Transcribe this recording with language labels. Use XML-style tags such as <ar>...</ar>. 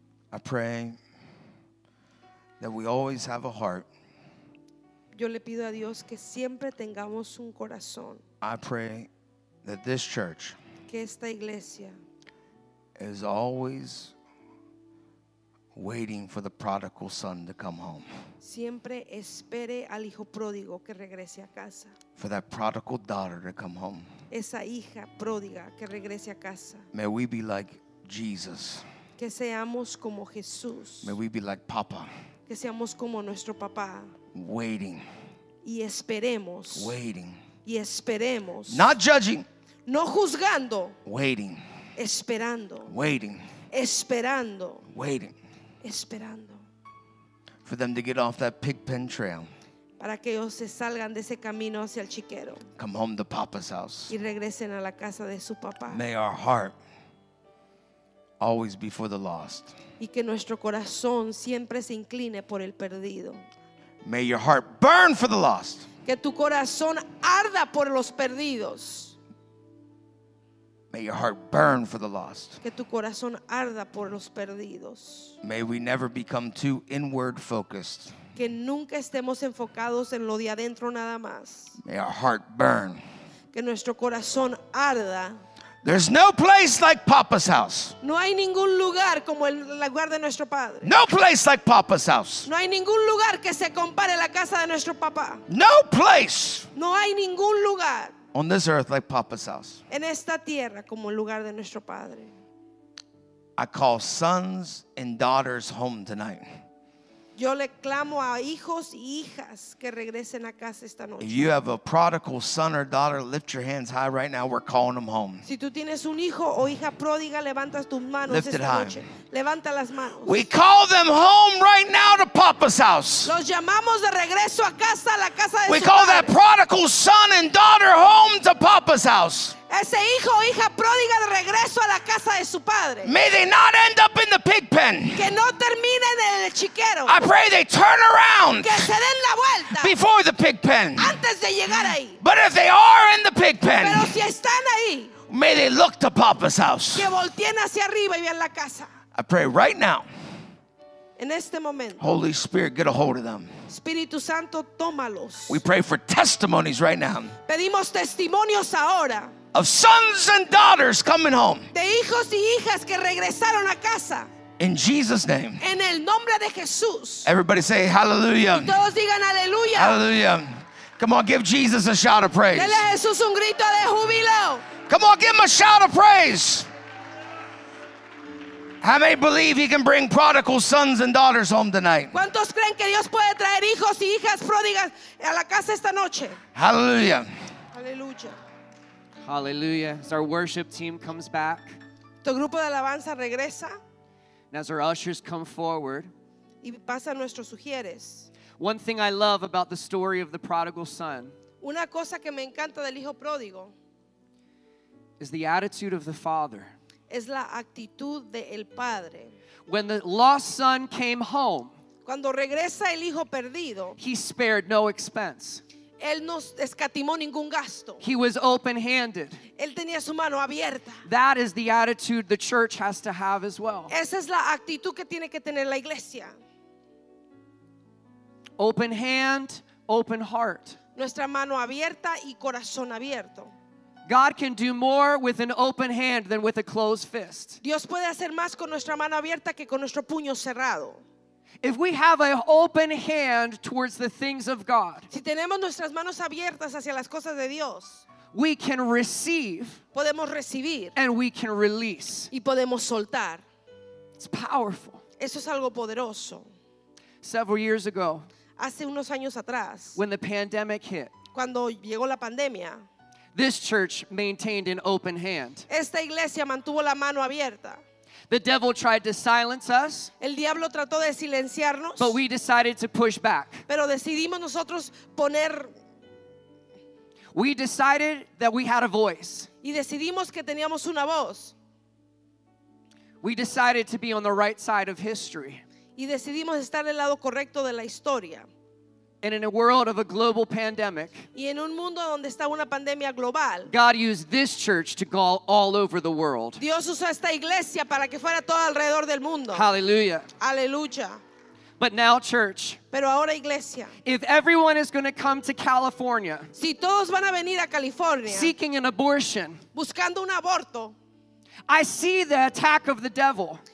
<en>I pray that we always have a heart.</en> <es>Yo le pido a Dios que siempre tengamos un corazón.</es> <en>I pray that this church,</en> <es>que esta iglesia,</es> <en>is always waiting for the prodigal son to come home.</en> <es>Siempre espere al hijo pródigo que regrese a casa.</es> <en>For that prodigal daughter to come home.</en> <es>Esa hija pródiga que regrese a casa.</es> <en>May we be like Jesus.</en> <es>Que seamos como Jesús.</es> <en>May we be like Papa.</en> <es>Que seamos como nuestro papá.</es> <en>Waiting.</en> <es>Y esperemos.</es> <en>Waiting.</en> <es>Y esperemos.</es> <en>Not judging.</en> <es>No juzgando.</es> <en>Waiting.</en> <es>Esperando.</es> <en>Waiting.</en> <es>Esperando.</es> <en>Waiting.</en> <es>Esperando.</es> <en>For them to get off that pig pen trail.</en> <es>Para que ellos se salgan de ese camino hacia el chiquero.</es> <en>Come home to Papa's house.</en> <es>Y regresen a la casa de su papá.</es> <en>May our heart always be for the lost.</en> <es>Y que nuestro corazón siempre se incline por el perdido.</es> <en>May your heart burn for the lost.</en> <es>Que tu corazón arda por los perdidos.</es> <en>May your heart burn for the lost.</en> <es>Que tu corazón arda por los perdidos.</es> <en>May we never become too inward focused.</en> <es>Que nunca estemos enfocados en lo de adentro nada más.</es> <en>May our heart burn.</en> <es>Que nuestro corazón arda.</es> <en>There's no place like Papa's house.</en> <es>No hay ningún lugar como el lugar de nuestro padre.</es> <en>No place like Papa's house.</en> <es>No hay ningún lugar que se compare la casa de nuestro papá.</es> <en>No place.</en> <es>No hay ningún lugar.</es> <en>On this earth like Papa's house.</en> <es>En esta tierra como el lugar de nuestro padre.</es> <en>I call sons and daughters home tonight.</en> <es>Yo le clamo a hijos y hijas que regresen a casa esta noche.</es> <en>If you have a prodigal son or daughter, lift your hands high right now. We're calling them home.</en> <es>Si tú tienes un hijo o hija pródiga, levantas tus manos</es> <en>lift</en> <es>esta</es> <en>it</en> <es>noche.</es> <en>High.</en> <es>Levanta las manos.</es> <en>We call them home right now to Papa's house.</en> <es>Los llamamos de regreso a casa, a la casa de</es> <en>we</en> <es>su</es> <en>call</en> <es>padre.</es> <en>That prodigal son and daughter home to Papa's house.</en> <es>Ese hijo o hija pródiga de regreso a la casa de su padre.</es> <en>May they not end up in the pig pen.</en> <es>Que no terminen en el chiquero.</es> <en>I pray they turn around.</en> <es>Que se den la vuelta.</es> <en>Before the pig pen.</en> <es>Antes de llegar ahí.</es> <en>But if they are in the pig pen.</en> <es>Pero si están ahí.</es> <en>May they look to Papa's house.</en> <es>Que volteen hacia arriba y vean la casa.</es> <en>I pray right now.</en> <es>En este momento.</es> <en>Holy Spirit, get a hold of them.</en> <es>Espíritu Santo, tómalos.</es> <en>We pray for testimonies right now.</en> <es>Pedimos testimonios ahora.</es> <en>Of sons and daughters coming home.</en> <es>De hijos y hijas que regresaron a casa.</es> <en>In Jesus' name.</en> <es>En el nombre de Jesús.</es> <en>Everybody say hallelujah.</en> <es>Y todos digan aleluya.</es> <en>Hallelujah. Come on, give Jesus a shout of praise.</en> <es>Dele a Jesús un grito de júbilo.</es> <en>Come on, give him a shout of praise. How many believe he can bring prodigal sons and daughters home tonight?</en> <es>¿Cuántos creen que Dios puede traer hijos y hijas pródigas a la casa esta noche?</es> <en>Hallelujah. Hallelujah. Hallelujah. As our worship team comes back.</en> <es>Tu grupo de alabanza regresa.</es> <en>And as our ushers come forward.</en> <es>Y pasan nuestros sugieres.</es> <en>One thing I love about the story of the prodigal son.</en> <es>Una cosa que me encanta del hijo pródigo.</es> <en>Is the attitude of the father.</en> <es>Es la actitud de el padre.</es> <en>When the lost son came home.</en> <es>Cuando regresa el hijo perdido.</es> <en>He spared no expense.</en> <es>Él no escatimó ningún gasto.</es> <en>He was open-handed.</en> <es>Él tenía su mano abierta.</es> <en>That is the attitude the church has to have as well.</en> <es>Esa es la actitud que tiene que tener la iglesia.</es> <en>Open hand, open heart.</en> <es>Nuestra mano abierta y corazón abierto.</es> <en>God can do more with an open hand than with a closed fist.</en> <es>Dios puede hacer más con nuestra mano abierta que con nuestro puño cerrado.</es> <en>If we have an open hand towards the things of God,</en> <es>si tenemos nuestras manos abiertas hacia las cosas de Dios,</es> <en>we can receive,</en> <es>podemos recibir,</es> <en>and we can release,</en> <es>y podemos soltar.</es> <en>It's powerful.</en> <es>Eso es algo poderoso.</es> <en>Several years ago,</en> <es>hace unos años atrás,</es> <en>when the pandemic hit,</en> <es>cuando llegó la pandemia,</es> <en>this church maintained an open hand.</en> <es>Esta iglesia mantuvo la mano abierta.</es> <en>The devil tried to silence us.</en> <es>El diablo trató de silenciarnos.</es> <en>But we decided to push back.</en> <es>Pero decidimos nosotros poner.</es> <en>We decided that we had a voice.</en> <es>Y decidimos que teníamos una voz.</es> <en>We decided to be on the right side of history.</en> <es>Y decidimos estar del lado correcto de la historia.</es> <en>And in a world of a global pandemic,</en> <es>y en un mundo donde está una pandemia global,</es> <en>God used this church to go all over the world.</en> <es>Dios usó esta iglesia para que fuera todo alrededor del mundo.</es> <en>Hallelujah.</en> <es>Aleluya.</es> <en>But now, church.</en> <es>Pero ahora, iglesia.</es> <en>If everyone is going to come to California,</en> <es>si todos van a venir a California,</es> <en>seeking an abortion,</en> <es>buscando un aborto,</es> <en>I see the attack of the devil.</en>